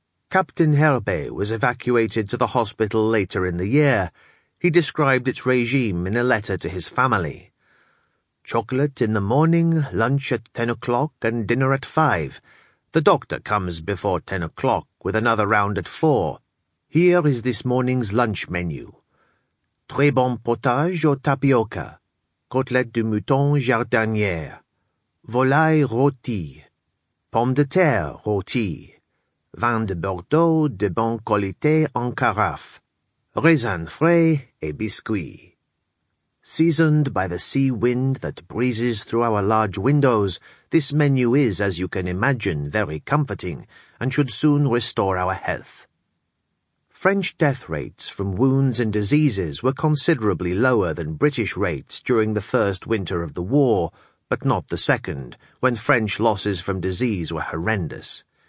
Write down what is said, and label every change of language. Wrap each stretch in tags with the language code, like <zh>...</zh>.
<en>Captain Herbet was evacuated to the hospital later in the year. He described its regime in a letter to his family. "Chocolate in the morning, lunch at 10 o'clock, and dinner at 5. The doctor comes before 10 o'clock, with another round at 4. Here is this morning's lunch menu.</en> <fr>Très bon potage au tapioca. Côtelette de mouton jardinière. Volaille rôtie. Pommes de terre rôtie. Vin de Bordeaux de bonne qualité en carafe, raisin frais et biscuit.</fr> <en>Seasoned by the sea wind that breezes through our large windows, this menu is, as you can imagine, very comforting, and should soon restore our health." French death rates from wounds and diseases were considerably lower than British rates during the first winter of the war, but not the second, when French losses from disease were horrendous.</en>